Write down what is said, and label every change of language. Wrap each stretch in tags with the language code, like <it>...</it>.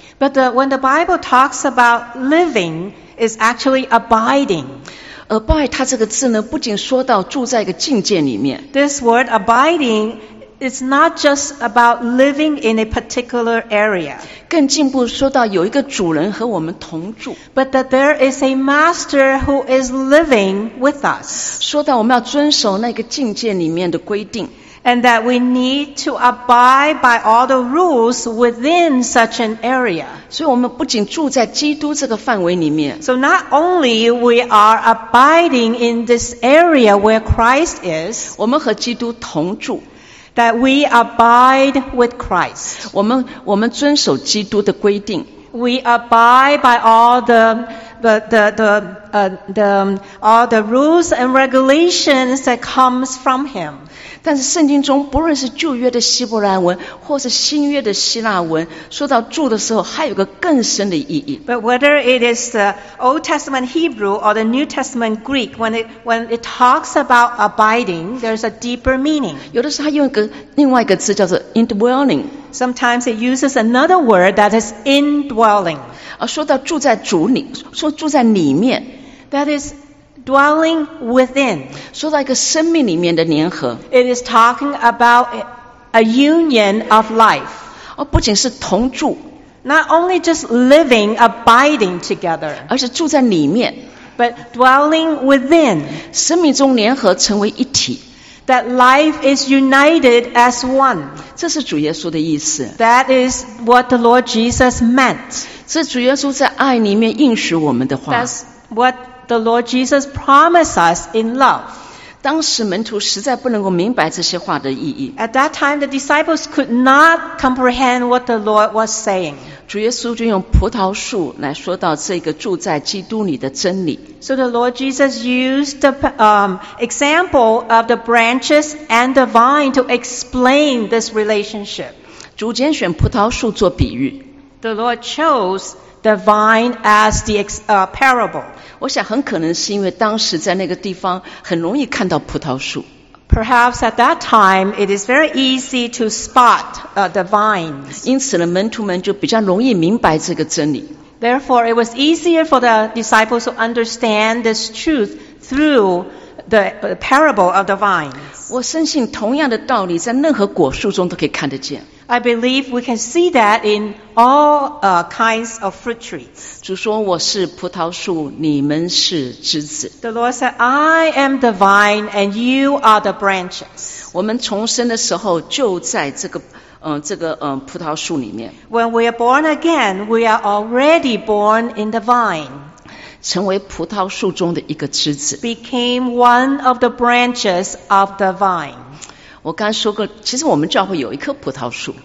<en>But when the Bible talks about living, it's actually abiding.</en> <zh>Abide 它这个字呢，不仅说到住在一个境界里面。</zh> <en>This word abiding. It's not just about living in a particular area.</en> <zh>更进一步说到有一个主人和我们同住。</zh> <en>But that there is a master who is living with us.</en> <zh>说到我们要遵守那个境界里面的规定。</zh> <en>And that we need to abide by all the rules within such an area.</en> <zh>所以我们不仅住在基督这个范围里面。</zh> <en>So not only we are abiding in this area where Christ is.</en> <zh>我们和基督同住。</zh> <en>That we abide with Christ.</en> <zh>我们遵守基督的规定。</zh> <en>We abide by all the rules and regulations that comes from Him.</en> <zh>但是圣经中不论是旧约的希伯来文或是新约的希腊文，说到住的时候，还有个更深的意义。</zh> <en>But whether it is the Old Testament Hebrew or the New Testament Greek, when it talks about abiding, there's a deeper meaning.</en> <zh>有的时候它用一个另外一个字叫做 indwelling。</zh> <en>Sometimes it uses another word that is indwelling.</en> <zh>说到住在主里，说住在里面。</zh> <en>That is dwelling within.</en> <zh>说到一个生命里面的联合。</zh> <en>It is talking about a union of life.</en> <zh>不仅是同住。</zh> <en>Not only just living, abiding together.</en> <zh>而是住在里面。</zh> <en>But dwelling within.</en> <zh>生命中联合成为一体。</zh> <en>That life is united as one.</en> <zh>这是主耶稣的意思。</zh> <en>That is what the Lord Jesus meant.</en> <zh>是主耶稣在爱里面应许我们的话。</zh> <en>That's what the Lord Jesus promised us in love.</en> <zh>当时门徒实在不能够明白这些话的意义。</zh> <en>At that time, the disciples could not comprehend what the Lord was saying.</en> <zh>主耶稣就用葡萄树来说到这个住在基督里的真理。</zh> <en>So the Lord Jesus used the example of the branches and the vine to explain this relationship.</en> <zh>主拣选葡萄树做比喻。</zh> <en>The Lord chose the vine as the parable.</en> <zh>我想很可能是因为当时在那个地方很容易看到葡萄树。</zh> <en>Perhaps at that time it is very easy to spot the vines.</en> <zh>因此呢，门徒们就比较容易明白这个真理。</zh> <en>Therefore, it was easier for the disciples to understand this truth through the parable of the vines.</en> <zh>我深信同样的道理在任何果树中都可以看得见。</zh> <en>I believe we can see that in all kinds of fruit trees.</en> <zh>主说我是葡萄树，你们是枝子。</zh> <en>The Lord said, I am the vine and you are the branches.</en> <zh>我们重生的时候就在这个葡萄树里面。</zh> <en>When we are born again, we are already born in the vine.</en> <zh>成为葡萄树中的一个枝子。</zh> <en>Became one of the branches of the vine.</en> <zh>我刚说过，其实我们教会有一棵葡萄树。</zh>